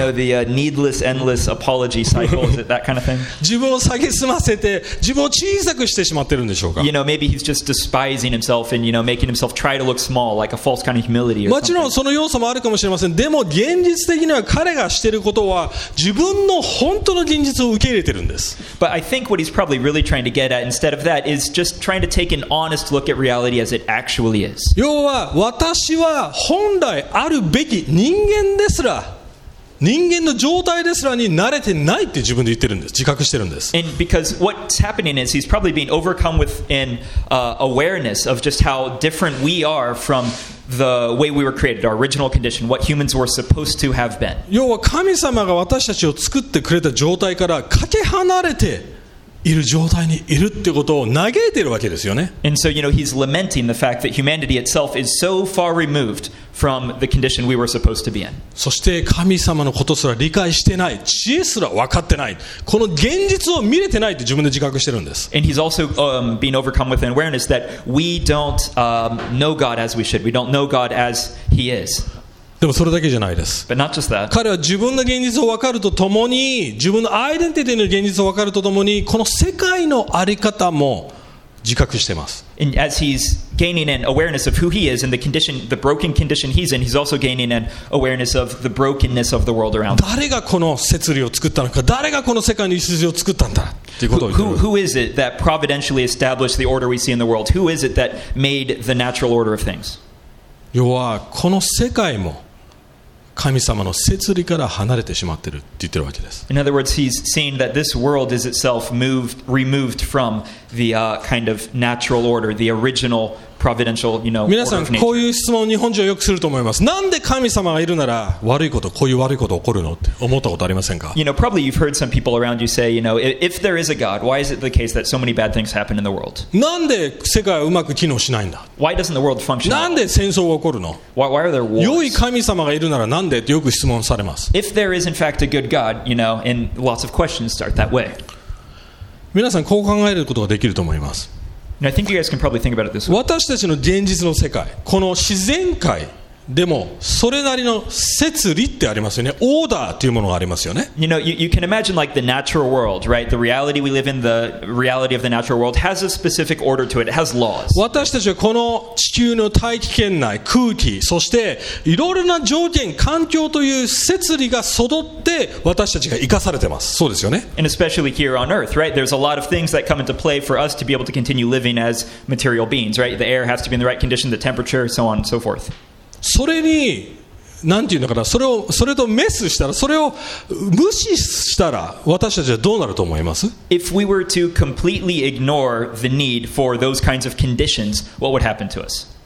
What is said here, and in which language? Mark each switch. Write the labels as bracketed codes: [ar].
[en] You know the needless, endless apology cycles, that kind of thing. [ja] 自分を蔑ませて、自分を小さくしてしまってるんでしょうか。 [en] You know, maybe he's just despising himself and you know making himself try to look small, like a false kind of humility. [ja] もちろんその要素もあるかもしれません。でも現実的には彼がしてることは自分の本当の現実を受け入れてるんです。 [en] But I think what he's probably really trying to get at instead of that is just trying to take an honest look at reality as it actually is. [ja] 要は私は本来あるべき人間ですら人間の状態ですらに慣れてないって自分で言ってるんです。自覚してるんです。 [en] And because what's happening is he's probably being overcome with an awareness of just how different we are from the way we were created, our original condition, what humans were supposed to have been. [ja] 要は神様が私たちを作ってくれた状態からかけ離れている状態にいるってことを嘆いているわけですよね。 [en] And so, you know, he's lamenting the fact that humanity itself is so far removed from the condition we were supposed to be in. [ja] そして神様のことすら理解してない、知恵すら分かってない、この現実を見れてないって自分で自覚してるんです。 [en] And he's also being overcome with an awareness that we don't know God as we should. We don't know God as he is. [ja] でもそれだけじゃないです。 [en] But not just that. [ja] 彼は自分の現実を分かるとともに、自分のアイデンティティの現実を分かるとともに、この世界の在り方も自覚しています。 [en] And as he's gaining an awareness of who he is and the condition, the broken condition he's in, he's also gaining an awareness of the brokenness of the world around him. [ja] 誰がこの摂理を作ったのか、誰がこの世界の秩序を作ったんだ。 [en] Who is it that providentially established the order we see in the world? Who is it that made the natural order of things? [ja] 要はこの世界も神様の摂理から離れてしまってるって言ってるわけです。 [en] In other words, he's saying that this world is itself moved, removed from the kind of natural order, the original providential, you know, order of nature. [ja] 皆さんこういう質問を日本人はよくすると思います。なんで神様がいるなら悪いこと、こういう悪いこと起こるのって思ったことありませんか? [en] You know, probably you've heard some people around you say, you know, if there is a God, why is it the case that so many bad things happen in the world? [ja] なんで世界はうまく機能しないんだ? [en] Why doesn't the world function? [ja] なんで戦争が起こるの? [en] Why are there wars? [ja] 良い神様がいるならなんでってよく質問されます。 [en] If there is in fact a good God, you know, and lots of questions start that way. [ja] 皆さんこう考えることができると思います。 [en] Now, I think you guys can probably think about it this way. [ja] 私たちの現実の世界、この自然界でもそれなりの摂理ってありますよね。オーダーというものがありますよね。 [en] You know, you can imagine like the natural world, right? The reality we live in, the reality of the natural world has a specific order to it. It has laws. [ja] 私たちはこの地球の大気圏内、空気、そしていろいろな条件、環境という摂理が揃って私たちが生かされてます。そうですよね。 [en] And especially here on Earth, right? There's a lot of things that come into play for us to be able to continue living as material beings, right? The air has to be in the right condition, the temperature, so on and so forth. [ja] それに何て言うのかな、それとメスしたら、それを無視したら、私たちはどうなると思います？ [en] If we were to completely ignore the need for those kinds of conditions, what would happen to us?